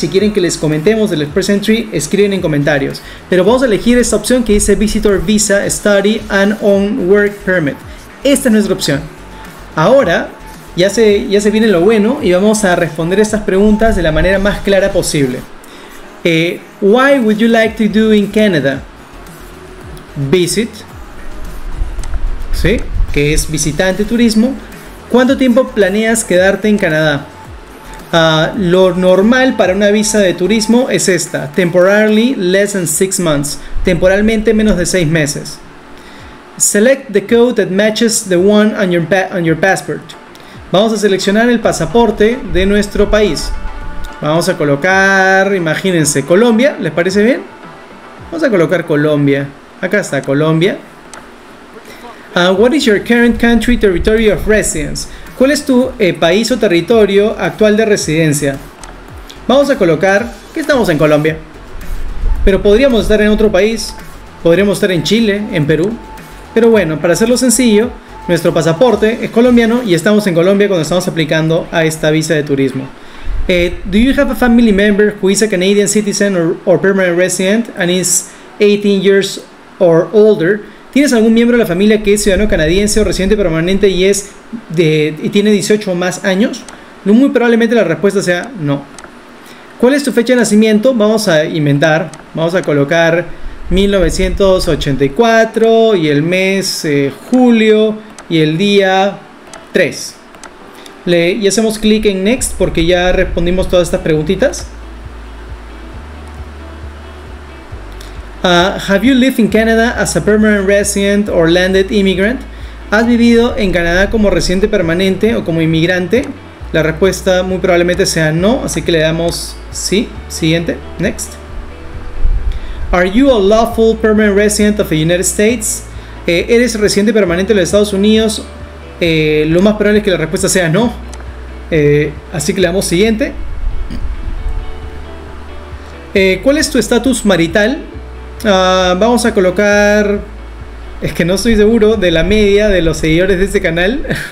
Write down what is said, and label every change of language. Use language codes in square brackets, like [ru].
[es] Si quieren que les comentemos del Express Entry, escriben en comentarios. Pero vamos a elegir esta opción que dice Visitor Visa Study and On Work Permit. Esta es nuestra opción. Ahora, ya se viene lo bueno, y vamos a responder estas preguntas de la manera más clara posible. [en] Why would you like to do in Canada? [es] Visit. ¿Sí? Que es visitante turismo. ¿Cuánto tiempo planeas quedarte en Canadá? Lo normal para una visa de turismo es esta, [en] temporarily less than 6 months, [es] temporalmente menos de 6 meses. [en] Select the code that matches the one on your passport. [es] Vamos a seleccionar el pasaporte de nuestro país. Vamos a colocar, imagínense, Colombia, ¿les parece bien? Vamos a colocar Colombia, acá está Colombia. [en] What is your current country territory of residence? [es] ¿Cuál es tu país o territorio actual de residencia? Vamos a colocar que estamos en Colombia. Pero podríamos estar en otro país. Podríamos estar en Chile, en Perú. Pero bueno, para hacerlo sencillo, nuestro pasaporte es colombiano y estamos en Colombia cuando estamos aplicando a esta visa de turismo. [en] Do you have a family member who is a Canadian citizen or permanent resident and is 18 years or older? [es] ¿Tienes algún miembro de la familia que es ciudadano canadiense o residente permanente y tiene 18 o más años? Muy probablemente la respuesta sea no. ¿Cuál es tu fecha de nacimiento? Vamos a inventar. Vamos a colocar 1984 y el mes julio y el día 3. Y hacemos clic en Next porque ya respondimos todas estas preguntitas. [en] Have you lived in Canada as a permanent resident or landed immigrant? [es] ¿Has vivido en Canadá como residente permanente o como inmigrante? La respuesta muy probablemente sea no, así que le damos sí. Siguiente, next. [en] Are you a lawful permanent resident of the United States? [es] ¿Eres residente permanente de los Estados Unidos? Lo más probable es que la respuesta sea no. Así que le damos siguiente. ¿Cuál es tu estatus marital? Vamos a colocar... Es que no estoy seguro de la media de los seguidores de este canal.